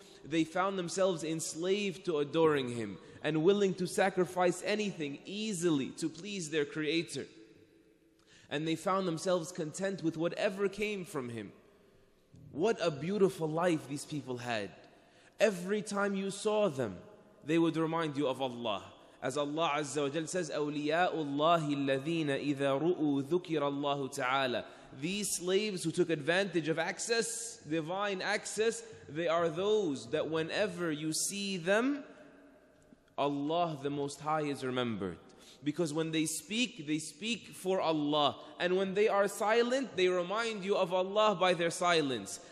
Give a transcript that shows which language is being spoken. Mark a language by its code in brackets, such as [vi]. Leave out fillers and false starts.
[en] They found themselves enslaved to adoring Him and willing to sacrifice anything easily to please their Creator. And they found themselves content with whatever came from Him. What a beautiful life these people had. Every time you saw them, they would remind you of Allah. As Allah Azza wa Jal says, [ar] أَوْلِيَاءُ الَّذِينَ إِذَا رُؤُوا ذُكِرَ اللَّهُ تَعَالَى. [en] These slaves who took advantage of access, divine access, they are those that whenever you see them, Allah the Most High is remembered. Because when they speak for Allah. And when they are silent, they remind you of Allah by their silence.